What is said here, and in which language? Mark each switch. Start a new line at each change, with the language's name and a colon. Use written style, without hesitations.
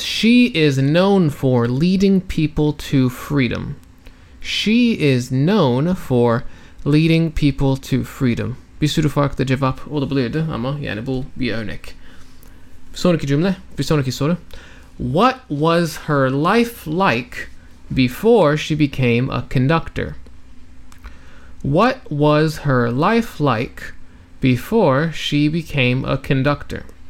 English: She is known for leading people to freedom. She is known for leading people to freedom.
Turkish: Bir sürü farklı cevap olabilirdi ama yani bu bir örnek. Sonraki cümle, bir sonraki soru.
English: What was her life like before she became a conductor? What was her life like before she became a conductor?